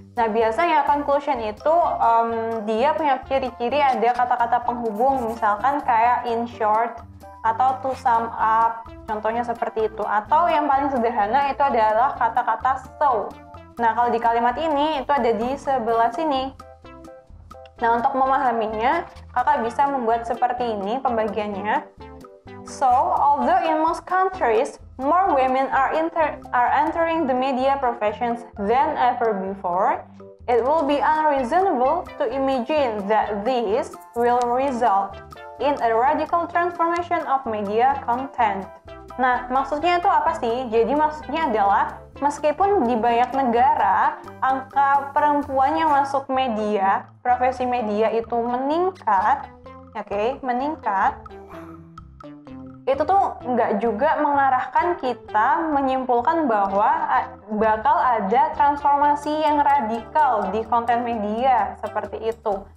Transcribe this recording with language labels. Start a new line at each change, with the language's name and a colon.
Indonesian: Nah, biasanya conclusion itu, dia punya ciri-ciri ada kata-kata penghubung, misalkan kayak
English: in short,
Indonesian: atau
English: to sum up,
Indonesian: contohnya seperti itu. Atau yang paling sederhana itu adalah kata-kata so. Nah, kalau di kalimat ini, itu ada di sebelah sini. Nah, untuk memahaminya, kakak bisa membuat seperti ini pembagiannya.
English: So, although in most countries, more women are entering the media professions than ever before, it will be unreasonable to imagine that this will result in a radical transformation of media content.
Indonesian: Nah, maksudnya itu apa sih? Jadi maksudnya adalah, meskipun di banyak negara, angka perempuan yang masuk media, profesi media itu meningkat, meningkat, itu tuh nggak juga mengarahkan kita menyimpulkan bahwa bakal ada transformasi yang radikal di konten media, seperti itu.